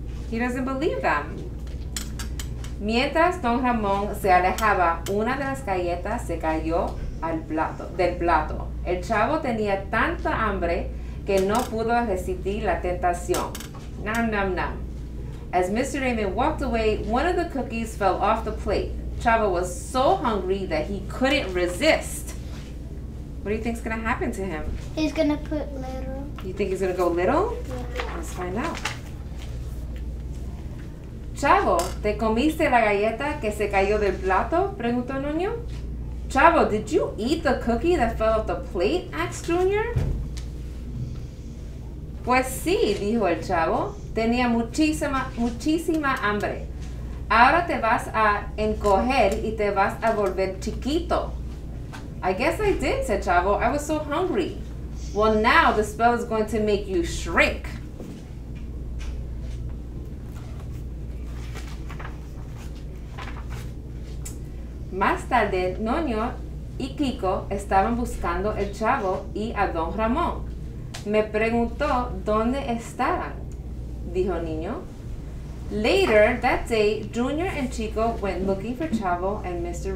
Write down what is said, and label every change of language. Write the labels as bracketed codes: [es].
[en] He doesn't believe them. [es] Mientras Don Ramón se alejaba, una de las galletas se cayó del plato. El chavo tenía tanta hambre que no pudo resistir la tentación. [en] Nom, nom, nom. As Mr. Raymond walked away, one of the cookies fell off the plate. Chavo was so hungry that he couldn't resist. What do you think is going to happen to him? He's going to put little. You think he's going to go little? Yeah. Let's find out. [es] Chavo, ¿te comiste la galleta que se cayó del plato? Preguntó Nuño. [en] Chavo, did you eat the cookie that fell off the plate? Asked Junior. [es] Pues sí, dijo el chavo. Tenía muchísima hambre. Ahora te vas a encoger y te vas a volver chiquito. [en] I guess I did, said Chavo. I was so hungry. Well, now the spell is going to make you shrink. [es] Más tarde, Nuño y Kiko estaban buscando el chavo y a Don Ramón. Me preguntó dónde estaban, dijo Niño. [en] Later that day, Junior and Chico went looking for Chavo and Mr.